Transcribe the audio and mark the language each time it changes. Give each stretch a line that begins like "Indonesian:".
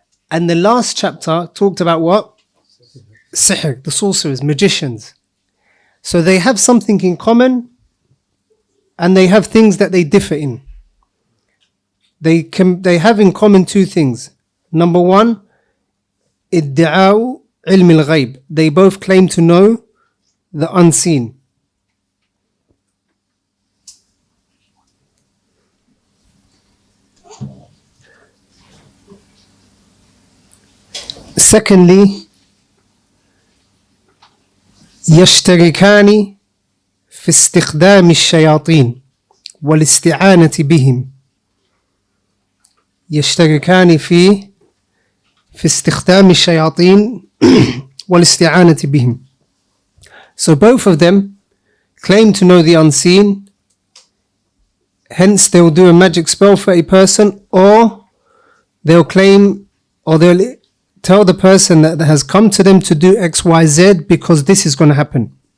English: And the last chapter talked about what? Sihr, the sorcerers, magicians. So they have something in common and they have things that they differ in. They have in common two things. Number one,
Arabic: ادعاو علم الغيب.
English: They both claim to know the unseen.
Arabic: Secondly, يشتركان في استخدام الشياطين والاستعانة بهم. يشتركان فيه في استخدام الشياطين والاستعانة بهم.
English: So both of them claim to know the unseen, hence they will do a magic spell for a person, or they'll claim, or they'll tell the person that has come to them to do X, Y, Z because this is going to happen.